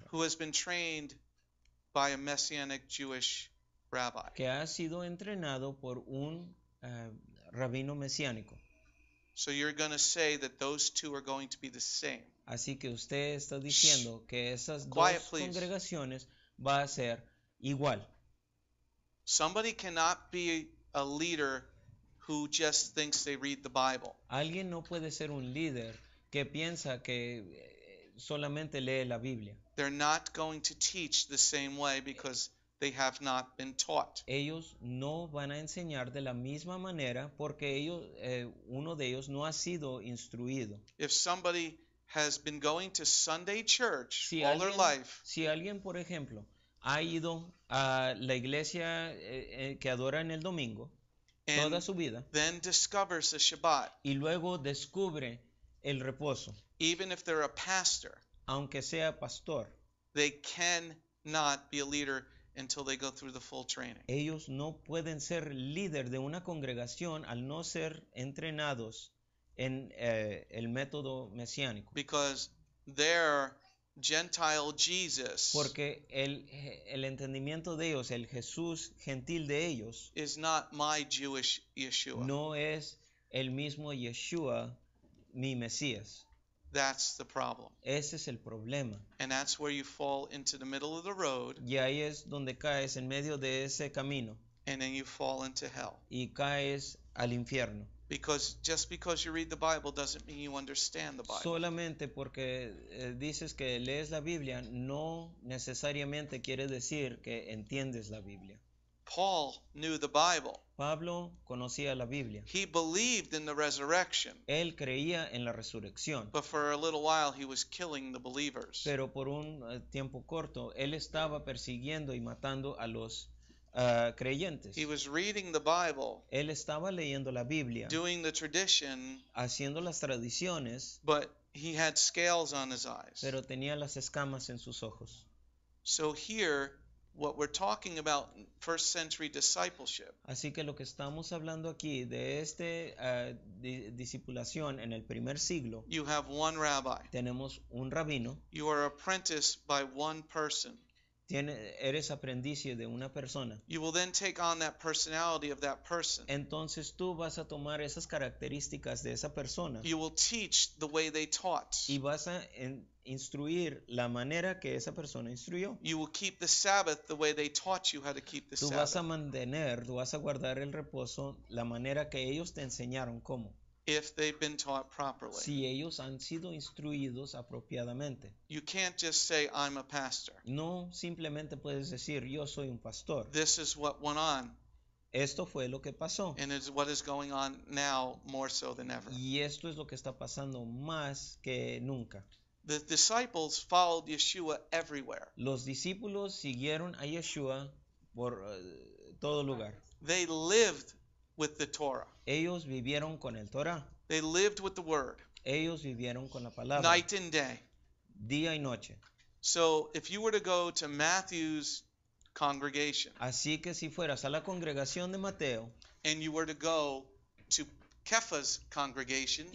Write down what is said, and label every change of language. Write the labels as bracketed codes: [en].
[en] Who has been trained by a messianic Jewish rabbi. [es] Que ha sido entrenado por un rabino mesiánico. [en] So you're going to say that those two are going to be the same. [es] Así que usted está diciendo que esas dos congregaciones va a ser igual. [en] Somebody cannot be a leader who just thinks they read the Bible. [es] Alguien no puede ser un líder que piensa que solamente lee la Biblia. [en] They're not going to teach the same way because they have not been taught. [es] Ellos no van a enseñar de la misma manera porque ellos, uno de ellos no ha sido instruido. [en] If somebody has been going to Sunday church all their life. [es] Si alguien, por ejemplo, ha ido a la iglesia que adora en el domingo toda su vida. [en] Then discovers the Shabbat. [es] Y luego descubre el reposo. [en] Even if they're a pastor. [es] Aunque sea pastor. [en] They cannot be a leader until they go through the full training. [es] Ellos no pueden ser líder de una congregación al no ser entrenados en el método mesiánico. [en] Because their Gentile Jesus. [es] Porque el entendimiento de ellos, el Jesús gentil de ellos, [en] is not my Jewish Yeshua. [es] No es el mismo Yeshua, mi Mesías. [en] That's the problem. [es] Ese es el problema. [en] And that's where you fall into the middle of the road. [es] Y ahí es donde caes en medio de ese camino. [en] And then you fall into hell. [es] Y caes al infierno. [en] Because just because you read the Bible doesn't mean you understand the Bible. [es] Solamente porque dices que lees la Biblia no necesariamente quiere decir que entiendes la Biblia. [en] Paul knew the Bible. [es] Pablo conocía la Biblia. [en] He believed in the resurrection. [es] Él creía en la resurrección. [en] But for a little while he was killing the believers. [es] Pero por un tiempo corto, él estaba persiguiendo y matando a los creyentes. [en] He was reading the Bible. [es] Él estaba leyendo la Biblia. [en] Doing the tradition. [es] Haciendo las tradiciones. [en] But he had scales on his eyes. [es] Pero tenía las escamas en sus ojos. [en] So here, what we're talking about first century discipleship. [es] Así que lo que estamos hablando aquí de este discipulación en el primer siglo. [en] You have one rabbi. [es] Tenemos un rabino. [en] You are apprenticed by one person. [es] eres aprendiz de una persona. [en] You will then take on that personality of that person. [es] Entonces tú vas a tomar esas características de esa persona. [en] You will teach the way they taught. [es] Y vas a instruir la manera que esa persona instruyó. [en] You will keep the Sabbath the way they taught you how to keep the Sabbath. [es] Tú vas a mantener, tú vas a guardar el reposo la manera que ellos te enseñaron cómo. [en] If they've been taught properly. [es] Si ellos han sido instruidos apropiadamente. [en] You can't just say, I'm a pastor. [es] No simplemente puedes decir, yo soy un pastor. [en] This is what went on. [es] Esto fue lo que pasó. [en] And it's what is going on now more so than ever. [es] Y esto es lo que está pasando más que nunca. [en] The disciples followed Yeshua everywhere. [es] Los discípulos siguieron a Yeshua por todo lugar. [en] They lived with the Torah. [es] Ellos vivieron con el Torah. [en] They lived with the word. [es] Ellos vivieron con la palabra. [en] Night and day. [es] Día y noche. [en] So if you were to go to Matthew's congregation. [es] Así que si fueras a la congregación de Mateo. [en] And you were to go to Kepha's congregation.